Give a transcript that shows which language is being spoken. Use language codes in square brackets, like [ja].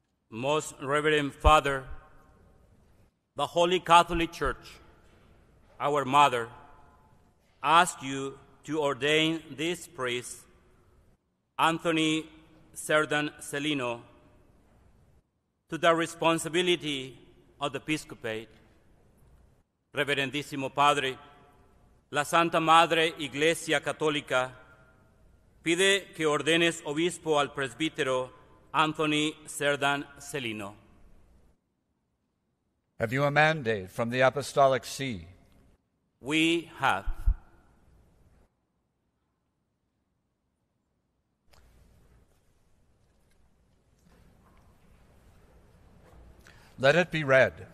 [en] Most Reverend Father, the Holy Catholic Church, our Mother, asked you to ordain this priest, Anthony Cerdan Celino, to the responsibility of the episcopate. [es] Reverendissimo Padre, La Santa Madre Iglesia Católica pide que ordenes obispo al presbítero Anthony Cerdan Celino. [en] Have you a mandate from the Apostolic See? We have. Let it be read.